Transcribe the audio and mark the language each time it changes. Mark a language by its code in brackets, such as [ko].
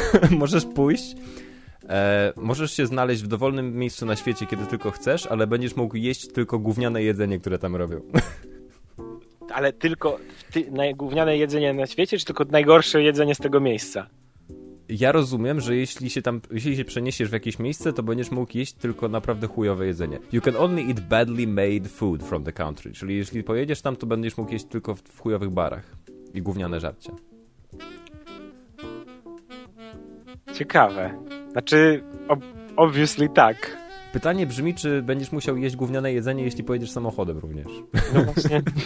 [pl] Możesz pójść, możesz się znaleźć w dowolnym miejscu na świecie, kiedy tylko chcesz, ale będziesz mógł jeść tylko gówniane jedzenie, które tam robią. Ale tylko gówniane jedzenie na świecie, czy tylko najgorsze jedzenie z tego miejsca? Ja rozumiem, że jeśli się przeniesiesz w jakieś miejsce, to będziesz mógł jeść tylko naprawdę chujowe jedzenie. [en] You can only eat badly made food from the country. [pl] Czyli jeśli pojedziesz tam, to będziesz mógł jeść tylko w chujowych barach i gówniane żarcie. Ciekawe. Znaczy, obviously tak. Pytanie brzmi, czy będziesz musiał jeść gówniane jedzenie, jeśli pojedziesz samochodem również. No właśnie.